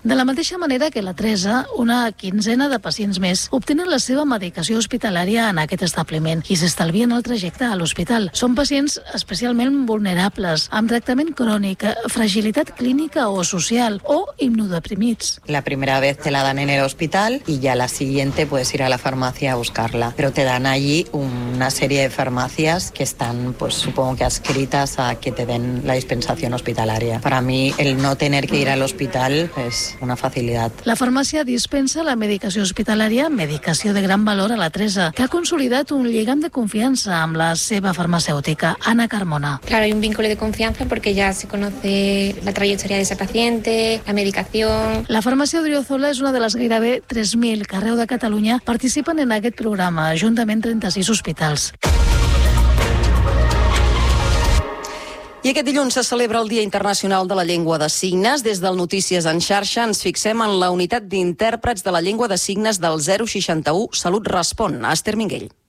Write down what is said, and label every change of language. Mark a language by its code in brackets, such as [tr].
[ca] De la mateixa manera que la Teresa, una quinzena de pacients més obtenen la seva medicació hospitalària en aquest establiment i s'estalvien el trajecte a l'hospital. Són pacients especialment vulnerables, amb tractament crònic, fragilitat clínica o social, o immunodeprimits. [es] La primera vez te la dan en el hospital y ya la siguiente puedes ir a la farmacia a buscarla. Pero te dan allí una serie de farmacias que están, pues supongo, que adscritas a que te den la dispensación hospitalaria. Para mí, el no tener que ir al hospital es una facilidad. [ca] La farmàcia dispensa la medicació hospitalària, medicació de gran valor a la Teresa, que ha consolidat un lligam de confiança amb la seva farmacèutica, Anna Carmona. [es] Claro, hay un vínculo de confianza porque ya se conoce la trayectoria de esa paciente, la medicación... [ca] La farmàcia Odriozola és una de les gairebé 3.000 que arreu de Catalunya participen en aquest programa, juntament 36 hospitals. I aquest dilluns se celebra el Dia Internacional de la Llengua de Signes. Des del Notícies en Xarxa ens fixem en la unitat d'intèrprets de la Llengua de Signes del 061 Salut Respon. Esther Minguell.